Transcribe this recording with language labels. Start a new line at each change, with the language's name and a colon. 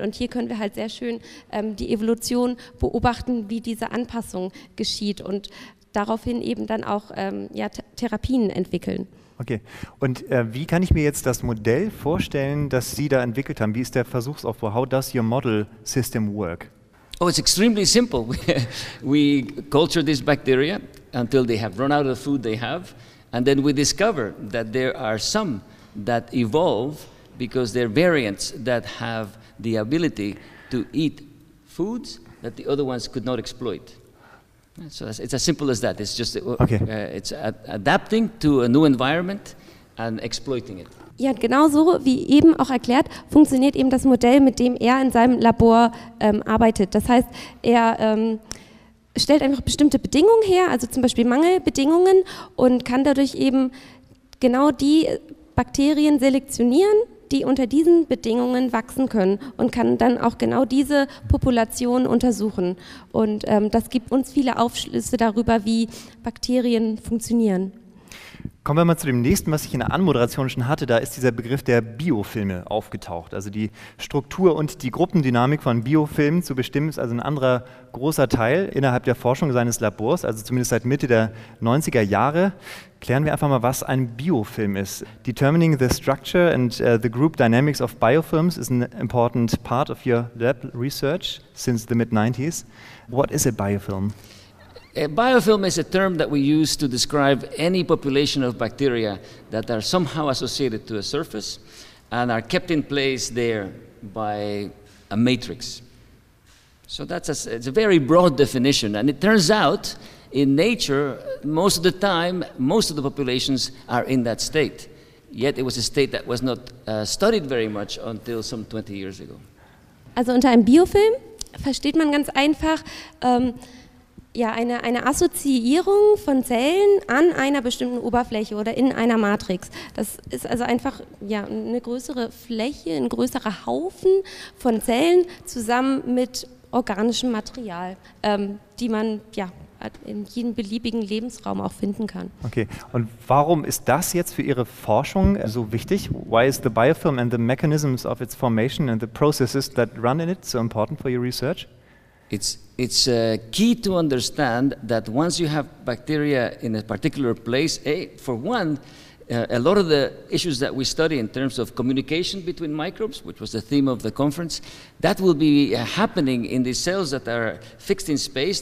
German: Und hier können wir halt sehr schön die Evolution beobachten, wie diese Anpassung geschieht und daraufhin eben dann auch Therapien entwickeln. Okay. Und wie kann ich mir jetzt das Modell vorstellen, das Sie da entwickelt haben? Wie ist der Versuchsaufbau?
English: How does your model system work? Oh, it's extremely simple. We culture this bacteria until they have run out of the food they have, and then we discover that there are some that evolve because they're variants that have the ability to eat foods that the other ones could not exploit. So it's as simple as that. It's just okay. It's adapting to a new environment and exploiting it.
German: Ja, genau so wie eben auch erklärt, funktioniert eben das Modell, mit dem er in seinem Labor arbeitet. Das heißt, er stellt einfach bestimmte Bedingungen her, also zum Beispiel Mangelbedingungen, und kann dadurch eben genau die Bakterien selektionieren, die unter diesen Bedingungen wachsen können, und kann dann auch genau diese Population untersuchen. Und das gibt uns viele Aufschlüsse darüber, wie Bakterien funktionieren. Kommen wir mal zu dem nächsten, was ich in der Anmoderation schon hatte. Da ist dieser Begriff der Biofilme aufgetaucht. Also die Struktur und die Gruppendynamik von Biofilmen zu bestimmen, ist also ein anderer großer Teil innerhalb der Forschung seines Labors, also zumindest seit Mitte der 90er Jahre. Klären wir einfach mal, was ein Biofilm ist.
English: Determining the structure and the group dynamics of biofilms is an important part of your lab research since the mid-90s. What is a biofilm? A biofilm is a term that we use to describe any population of bacteria that are somehow associated to a surface and are kept in place there by a matrix. So it's a very broad definition. And it turns out, in nature, most of the time, most of the populations are in that state. Yet it was a state that was not studied very much until some 20 years ago.
German: Also unter einem Biofilm versteht man ganz einfach, eine Assoziierung von Zellen an einer bestimmten Oberfläche oder in einer Matrix. Das ist also einfach eine größere Fläche, ein größerer Haufen von Zellen zusammen mit organischem Material, die man in jedem beliebigen Lebensraum auch finden kann. Okay, und warum ist das jetzt für Ihre Forschung so wichtig?
English: Why is the biofilm and the mechanisms of its formation and the processes that run in it so important for your research? It's key to understand that once you have bacteria in a particular place, for one, A lot of the issues that we study in terms of communication between microbes, which was the theme of the conference, that will be happening in these cells that are fixed in space.